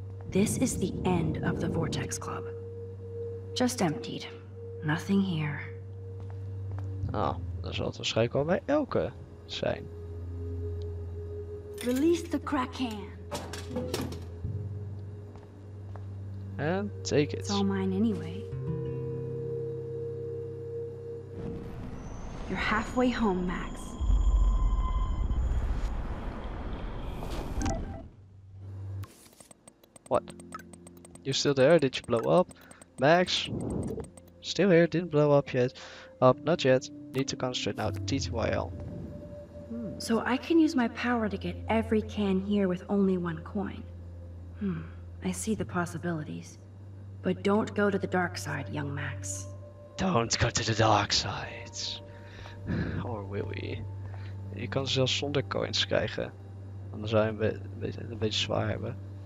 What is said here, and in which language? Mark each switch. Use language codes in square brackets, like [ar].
[en] This is the end of the Vortex Club. Just emptied. Nothing here. [nl] Oh, dan zal het waarschijnlijk wel bij Elke zijn. [en] Release the Kraken. And take it. It's all mine anyway. You're halfway home, Max. What? You're still there? Did you blow up? Max? Still here? Didn't blow up yet. Not yet. Need to concentrate now. TTYL. So I can use my power to get every can here with only one coin. I see the possibilities. But don't go to the dark side, young Max. Don't go to the dark side. Or will we? [nl] Je kan ze zelfs zonder coins krijgen. Dan zou je een beetje zwaar hebben.